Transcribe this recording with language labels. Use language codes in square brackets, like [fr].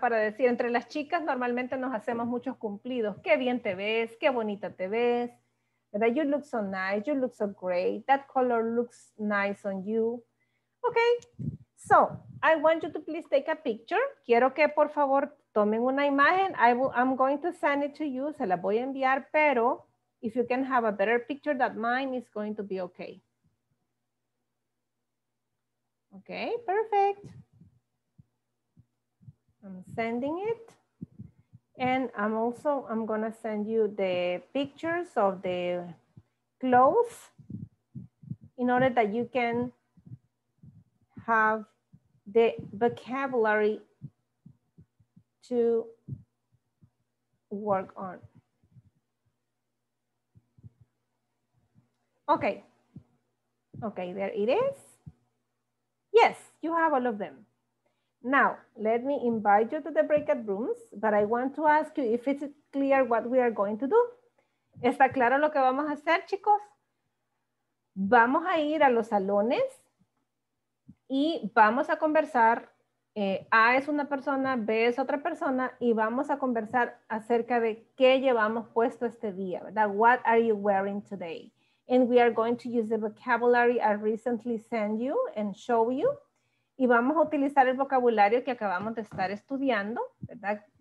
[es] Para decir, entre las chicas normalmente nos hacemos muchos cumplidos. Qué bien te ves, qué bonita te ves, ¿verdad? [en] You look so nice, you look so great. That color looks nice on you. Ok, so I want you to please take a picture. [es] Quiero que por favor tomen una imagen. [en] I'm going to send it to you, [es] se la voy a enviar, pero [en] if you can have a better picture than mine, it's going to be okay. Ok, perfect. I'm sending it, and I'm going to send you the pictures of the clothes in order that you can have the vocabulary to work on. Okay. Okay, there it is. Yes, you have all of them. Now, let me invite you to the breakout rooms, but I want to ask you if it's clear what we are going to do. [es] ¿Está claro lo que vamos a hacer, chicos? Vamos a ir a los salones y vamos a conversar. A es una persona, B es otra persona, y vamos a conversar acerca de qué llevamos puesto este día, ¿verdad? [en] What are you wearing today? And we are going to use the vocabulary I recently sent you and show you. [es] Y vamos a utilizar el vocabulario que acabamos de estar estudiando, ¿verdad?